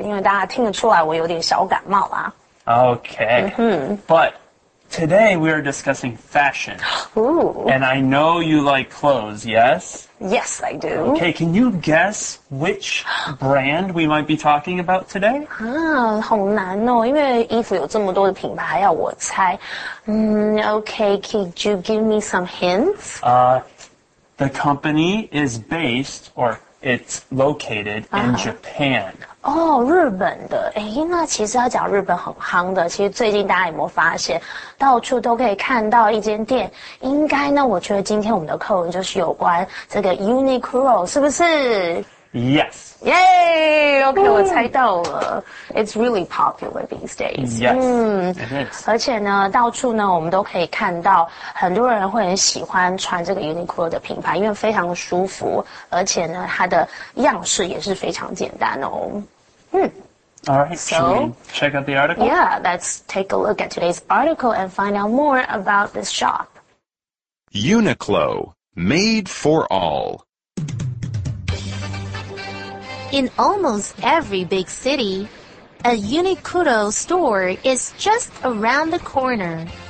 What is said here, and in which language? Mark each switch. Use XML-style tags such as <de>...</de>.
<zh>因为大家听得出来我有点小感冒啦。</zh> <en>Okay. But today we are discussing fashion. Ooh. And I know you like clothes, yes? Yes, I do. Okay, can you guess which brand we might be talking about today?</en> <zh>好难哦，因为衣服有这么多的品牌，要我猜。</zh> <en>Okay, could you give me some hints? The company is based, or it's located in Japan.</en> <zh>哦，日本的，诶，那其实要讲日本很夯的，其实最近大家有没有发现，到处都可以看到一间店，应该呢，我觉得今天我们的课文就是有关这个 Uniqlo, 是不是？</zh> <en>Yes.</en> <zh>Yay! Okay, 我猜到了。</zh> <en>It's really popular these days. Yes, it is.</en> <zh>而且呢，到处呢，我们都可以看到很多人会很喜欢穿这个 Uniqlo 的品牌，因为非常的舒服，而且呢，它的样式也是非常简单哦。</zh> <en>All right, so, should we check out the article? Yeah, let's take a look at today's article and find out more about this shop. Uniqlo, made for all. In almost every big city, a Uniqlo store is just around the corner.</en>